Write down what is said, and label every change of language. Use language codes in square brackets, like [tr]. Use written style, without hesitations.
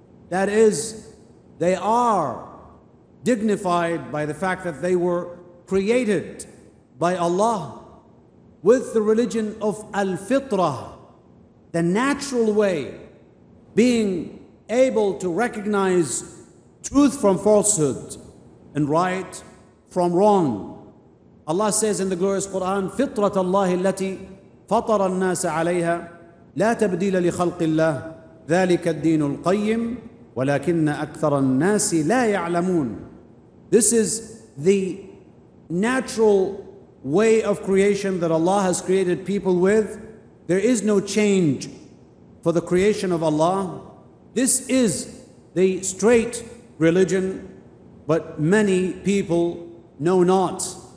[en] That is, they are dignified by the fact that they were created by Allah with the religion of al-fitrah, the natural way, being able to recognize truth from falsehood and right from wrong. Allah says in the glorious Quran, [ar] فِطْرَةَ اللَّهِ الَّتِي فَطَرَ النَّاسَ عَلَيْهَا لَا تَبْدِيلَ لِخَلْقِ اللَّهِ ذَلِكَ الدِّينُ الْقَيِّمُ وَلَكِنَّ أَكْثَرَ النَّاسِ لَا يَعْلَمُونَ. [en] This is the natural way of creation that Allah has created people with. There is no change for the creation of Allah. This is the straight religion, but many people know not.